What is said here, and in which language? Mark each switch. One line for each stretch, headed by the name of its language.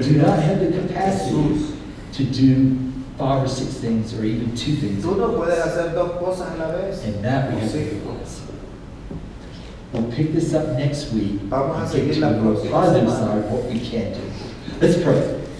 English: do not have the capacity to do five or six things or even two things.
Spanish: Tú no puedes hacer dos cosas a la vez.
English: And that we have to do. We'll pick this up next week.
Spanish: Vamos a seguir la próxima.
English: Father, what we can do. Let's pray.